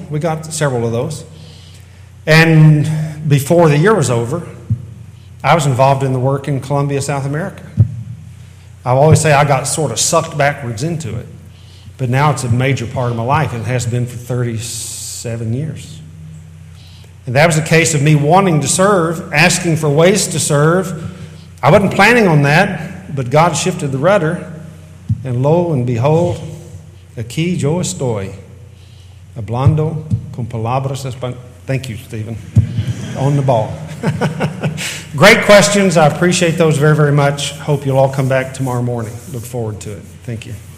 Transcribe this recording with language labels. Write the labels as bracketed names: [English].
[English] We got several of those. And before the year was over, I was involved in the work in Columbia, South America. I always say I got sort of sucked backwards into it. But now it's a major part of my life. It has been for 37 years. And that was a case of me wanting to serve, asking for ways to serve. I wasn't planning on that, but God shifted the rudder. And lo and behold, [Spanish] aquí yo estoy, hablando con palabras españolas. [English] Thank you, Stephen. On the ball. Great questions. I appreciate those very, very much. Hope you'll all come back tomorrow morning. Look forward to it. Thank you.